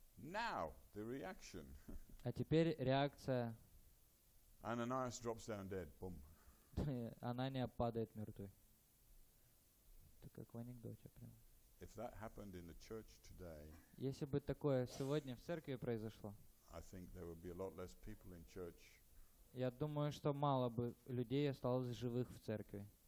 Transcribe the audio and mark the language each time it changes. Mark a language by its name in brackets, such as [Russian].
[English] Now, the reaction. [Russian] А теперь реакция. [English] Ананиас drops down dead. Boom. [Russian] Анания падает мертвой. Это как в анекдоте прямо. [English] If that happened in the church today, [Russian] если бы такое сегодня в церкви произошло, [English] I think there would be a lot less people in church. [Russian] Я думаю, что мало бы людей осталось живых в церкви.